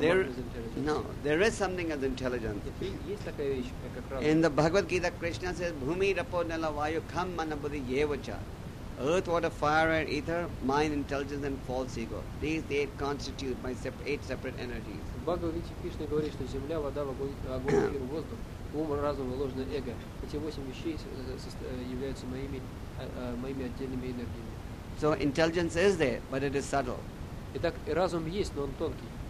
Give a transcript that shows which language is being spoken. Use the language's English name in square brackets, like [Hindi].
[English] there, is intelligence. No, there is something as intelligence. Yeah. In the Bhagavad Gita, Krishna says, [Sanskrit] Bhumi rapo nala vayu kham manabuddhi yevacha. [English] Earth, water, fire, and ether, mind, intelligence, and false ego. These eight constitute my eight separate energies. [Russian] В Бхагавад Гите Кришна говорит, что земля, вода, огонь, эфир, воздух, ум, разум и ложное эго. Эти восемь вещей являются моими отдельными энергиями. [English] So intelligence is there, but it is subtle. Итак, разум есть, но он тонкий.